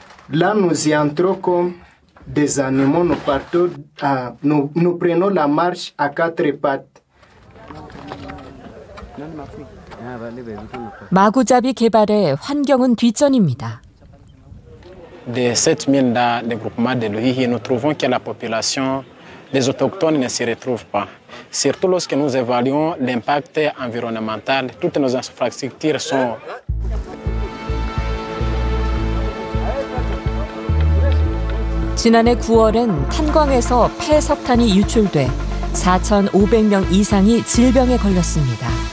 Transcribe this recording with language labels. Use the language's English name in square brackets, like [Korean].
[French] Là nous y entrons comme des animaux, nous partons, nous prenons la marche à quatre pattes. [Korean] 마구잡이 개발에 환경은 뒷전입니다. [French] Des 7000 dans le groupement de Luhihi, nous trouvons que la population des autochtones ne s'y retrouve pas. Surtout lorsque nous évaluons l'impact environnemental, toutes nos infrastructures sont. [Korean] 지난해 9월엔 탄광에서 폐석탄이 유출돼 4,500명 이상이 질병에 걸렸습니다.